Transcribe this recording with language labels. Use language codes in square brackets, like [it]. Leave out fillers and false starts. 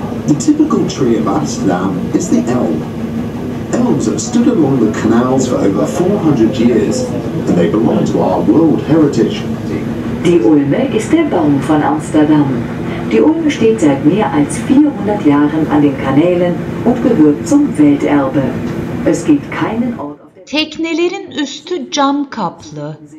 [en] The typical tree of Amsterdam is the elm. Elms have stood along the canals for over 400 years and they belong to our world heritage. [de] Die Ulme ist der Baum von Amsterdam. Die Ulme steht seit mehr als 400 Jahren an den Kanälen und gehört zum Welterbe. Es gibt keinen Ort auf der [tr] Teknelerin üstü cam kaplı.